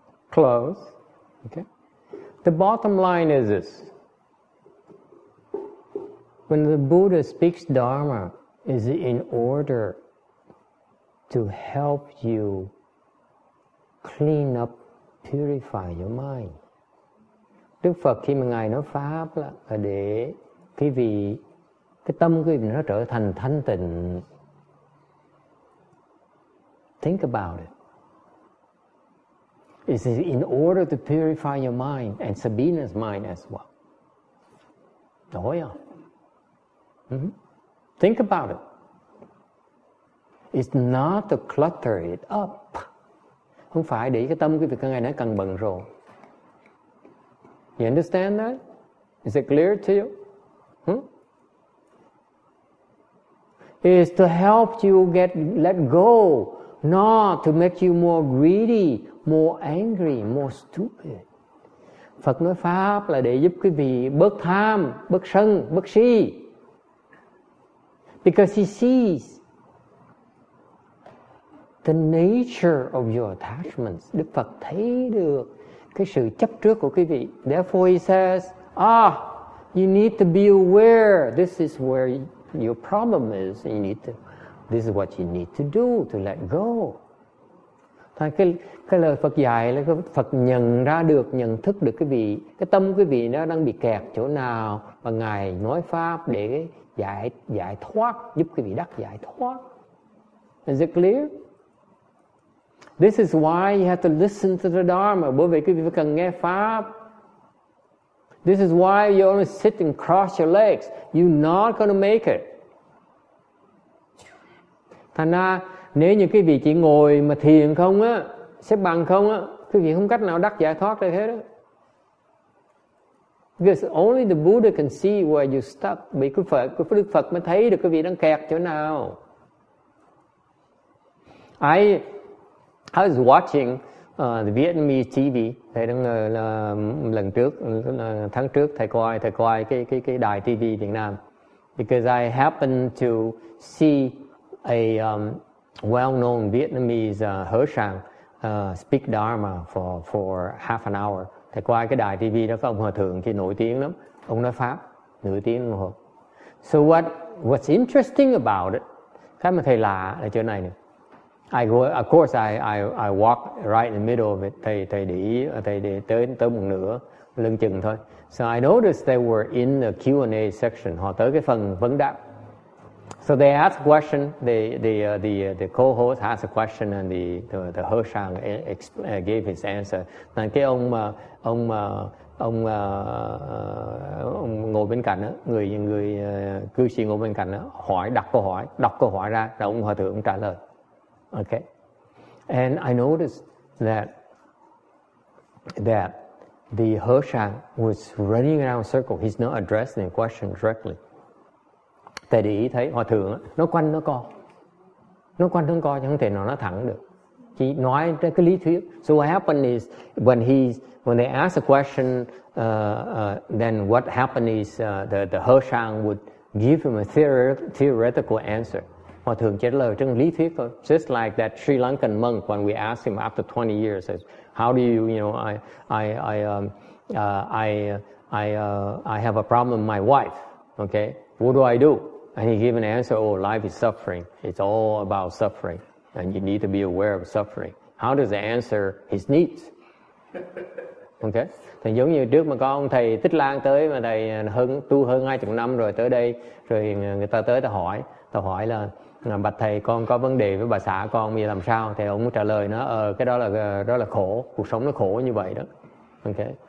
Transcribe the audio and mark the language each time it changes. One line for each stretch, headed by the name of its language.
English: Close. Okay. The bottom line is this. When the Buddha speaks Dharma, is it in order to help you clean up, purify your mind?
Vietnamese: Đức Phật khi mà Ngài nói pháp là để quý vị, cái tâm quý vị nó trở thành thanh tịnh.
English: Think about it. It is in order to purify your mind and Sabina's mind as well.
Vietnamese: Đói à?
English: Think about it. It's not to clutter it up.
Vietnamese: Không phải để cái tâm quý vị càng ngày nó càng bận rộn.
English: You understand that? Is it clear to you? It is to help you get let go, not to make you more greedy, more angry, more stupid.
Vietnamese: Phật nói pháp là để giúp quý vị bớt tham, bớt sân, bớt si.
English: Because he sees the nature of your attachments.
Vietnamese: Đức Phật thấy được cái sự chấp trước của quý vị.
English: Therefore he says, you need to be aware. This is where your problem is. You need to, this is what you need to do to let go.
Vietnamese: Thành cái lời Phật dạy là Phật nhận ra được, nhận thức được quý vị, cái tâm quý vị nó đang bị kẹt chỗ nào, và Ngài nói pháp để giải thoát, giúp quý vị đắc giải thoát.
English: Is it clear? This is why you have to listen to the Dharma.
Vietnamese: Bởi vì quý vị phải cần nghe pháp.
English: This is why you only sit and cross your legs. You're not going to make it.
Vietnamese: Thành ra, nếu như quý vị chỉ ngồi mà thiền không á, xếp bằng không á, quý vị không cách nào đắc giải thoát được hết á.
English: Because only the Buddha can see where you're stuck.
Vietnamese: Bởi quý Phật, quý Đức Phật mới thấy được quý vị đang kẹt chỗ nào.
English: I was watching the Vietnamese TV,
Vietnamese: thầy đang lần trước tháng trước thầy coi cái đài TV Việt Nam.
English: Because I happened to see a well-known Vietnamese Hershang speak Dharma for half an hour.
Vietnamese: Thầy coi cái đài TV đó, có ông hòa thượng kia nổi tiếng lắm, ông nói pháp nổi tiếng luôn.
English: So what's interesting about it?
Vietnamese: Cái mà thầy lạ là chỗ này nè.
English: I go, of course I walk right in the middle of it.
Vietnamese: Thầy đi tới một nửa lưng chừng thôi.
English: So I noticed they were in the Q&A section.
Vietnamese: Họ tới cái phần vấn đáp.
English: So they ask question. The co-host asked a question and the Hershang gave his answer.
Vietnamese: Và cái ông ngồi bên cạnh đó, người cư sĩ ngồi bên cạnh đó hỏi, đọc câu hỏi ra, rồi ông hòa thượng trả lời.
English: Okay, and I noticed that the Hershang was running around in a circle. He's not addressing the question directly.
Vietnamese: Tại để ý thấy hòa thượng nó quanh nó co chứ không thể nào nó thẳng được. He nói ra cái lý thuyết.
English: So what happened is when they ask a question, then what happened is the Hershang would give him a theoretical answer.
Vietnamese: Hòa thượng trả lời trong lý thuyết thôi.
English: Just like that Sri Lankan monk when we asked him after 20 years, says, how do you know, I have a problem with my wife. Okay, what do I do? And he gave an answer, oh, life is suffering. It's all about suffering. And you need to be aware of suffering. How does he answer his needs? Okay.
Vietnamese: Thì giống như trước mà có ông thầy Tích Lan tới, mà thầy tu hơn 20 năm rồi tới đây, rồi người ta tới ta hỏi là, bạch thầy, con có vấn đề với bà xã con bây giờ làm sao? Thì ông trả lời nó, cái đó là khổ, cuộc sống nó khổ như vậy đó. Okay.